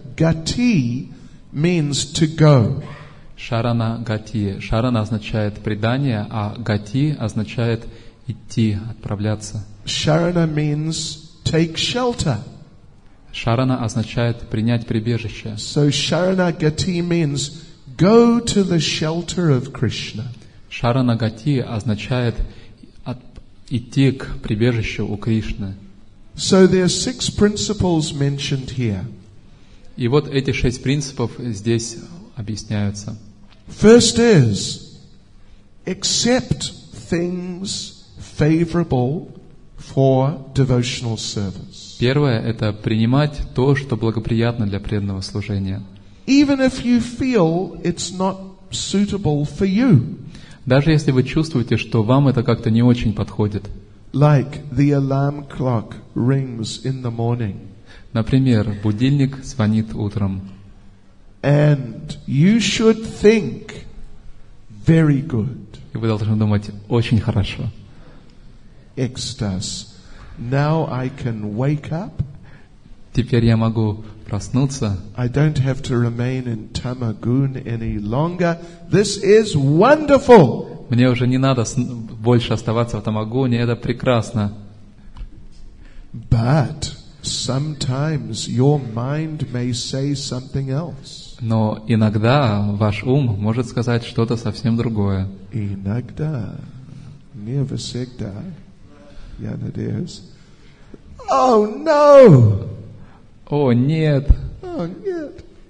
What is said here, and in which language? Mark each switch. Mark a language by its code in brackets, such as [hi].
[en] Gati means to go. [ru] Шарана гати. Шарана означает предание, а гати означает идти, отправляться. [en] Sharana means take shelter. [ru] Шарана означает принять прибежище. [en] So sharana gati means go to the shelter of Krishna. [ru] Шаранагати означает идти к прибежищу у Кришны. [en] So there are six principles mentioned here. [ru] И вот эти шесть принципов здесь объясняются. [en] First is accept things favorable for devotional service. [ru] Первое — это принимать то, что благоприятно для преданного служения. [en] Even if you feel it's not suitable for you. [ru] Даже если вы чувствуете, что вам это как-то не очень подходит. [en] Like the alarm clock rings in the morning. [ru] Например, будильник звонит утром. [en] And you should think very good. [ru] И вы должны думать очень хорошо. Экстаз. [en] Now I can wake up. [ru] Теперь я могу проснуться. [en] I don't have to remain in Tamagun any longer. This is wonderful. [ru] Мне уже не надо больше оставаться в Тамагуне, это прекрасно. But sometimes your mind may say something else. Но иногда ваш ум может сказать что-то совсем другое. Иногда, не всегда, я надеюсь. [en] Oh no! [ru] О, нет. О, нет.